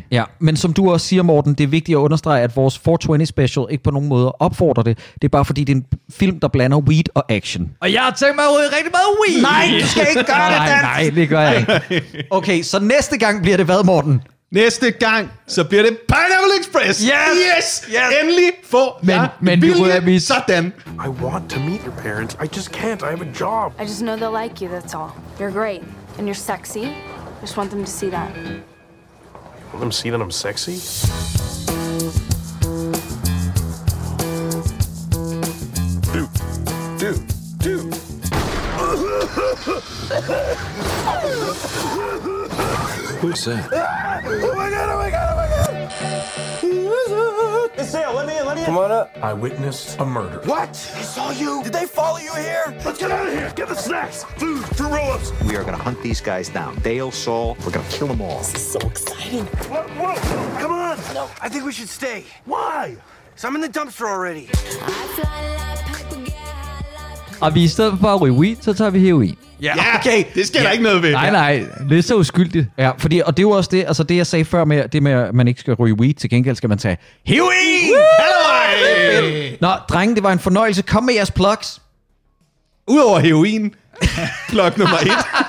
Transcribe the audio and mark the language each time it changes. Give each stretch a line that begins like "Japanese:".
Danish: Ja, men som du også siger, Morten, det er vigtigt at understrege, at vores 420 special ikke på nogen måde opfordrer det. Det er bare fordi det er en film, der blander weed og action. Og jeg har tænkt mig at ryge rigtig meget weed. Nej, du skal ikke gøre det, Dan. Nej, det gør jeg ikke. Okay, så næste gang bliver det hvad, Morten? Næste gang, så bliver det Pineapple Express. Yes! Endelig får jeg vilje. Men sådan.
English: I want to meet your parents. I just can't. I have a job. I just know they'll like you, that's all. You're great. And you're sexy. I just want them to see that. You want them to see that I'm sexy? Who's that? Oh my god! It's Sam, let me in. Come on up. I witnessed a murder. What? I saw you. Did they follow you here? Let's get out of here. Get the snacks, food, fruit roll-ups. We are going to hunt these guys down. Dale, Saul, we're going to kill them all. This is so exciting. Whoa. Come on. No. I think we should stay. Why? Because I'm in the dumpster already. I fly like Piper Gal.
Danish: Og vi i stedet for at ryge weed, så tager vi heroin. Ja, yeah, okay. Det skal der ikke noget ved. Nej, nej. Det er så uskyldigt. Ja, fordi, og det er jo også det, altså det jeg sagde før med, det med, at man ikke skal ryge weed. Til gengæld skal man tage heroin. Halløj! Nå, drenge, det var en fornøjelse. Kom med jeres plugs. Udover heroin. Plug nummer et.